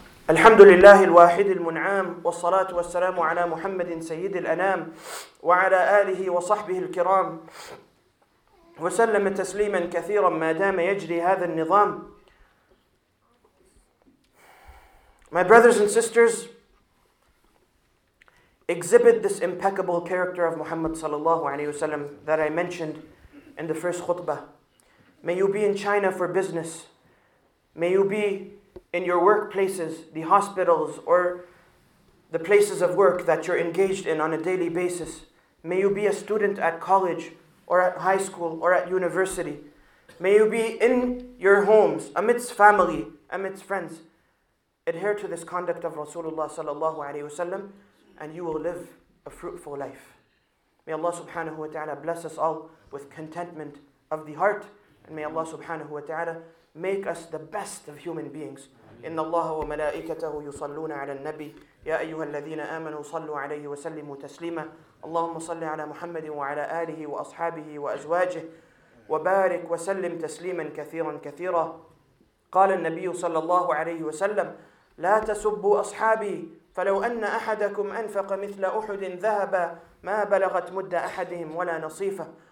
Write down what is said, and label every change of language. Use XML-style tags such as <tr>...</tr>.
<ar>الحمد لله الواحد المنعم والصلاة والسلام على محمد سيد الأنام وعلى آله وصحبه الكرام وسلم تسليما كثيرا ما دام يجري هذا النظام.</ar> <en>My brothers and sisters, exhibit this impeccable character of Muhammad صلى الله عليه وسلم that I mentioned in the first khutbah. May you be in China for business. May you be in your workplaces, the hospitals, or the places of work that you're engaged in on a daily basis. May you be a student at college, or at high school, or at university. May you be in your homes, amidst family, amidst friends. Adhere to this conduct of Rasulullah sallallahu alayhi wa sallam, and you will live a fruitful life. May Allah subhanahu wa ta'ala bless us all with contentment of the heart, and may Allah subhanahu wa ta'ala make us the best of human beings.</en> <ar>إن الله وملائكته يصلون على النبي يا أيها الذين آمنوا صلوا عليه وسلموا تسليما. اللهم صل على محمد وعلى آله وأصحابه وأزواجه وبارك وسلم تسليما كثيرا كثيرا. قال النبي صلى الله عليه وسلم: لا تسبوا أصحابي، فلو أن أحدكم أنفق مثل أحد ذهبا ما بلغت مد أحدهم ولا نصيفة.</ar>